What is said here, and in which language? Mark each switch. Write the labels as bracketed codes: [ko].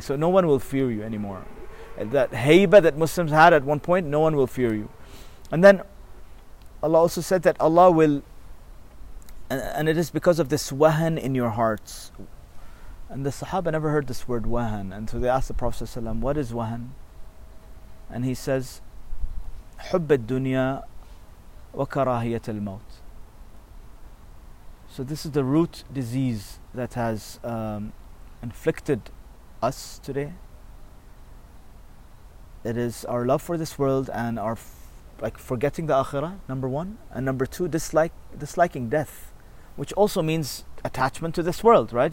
[en] So no one will fear you anymore. That haybah that Muslims had at one point, no one will fear you. And then Allah also said that Allah will, and it is because of this wahan in your hearts. And the Sahaba never heard this word wahan. And so they asked the Prophet ﷺ, what is wahan? [ar] And he says, حب الدنيا وكراهية الموت. [en] So this is the root disease that has inflicted us today. It is our love for this world and our forgetting the akhirah, number one. And number two, disliking death, which also means attachment to this world, right?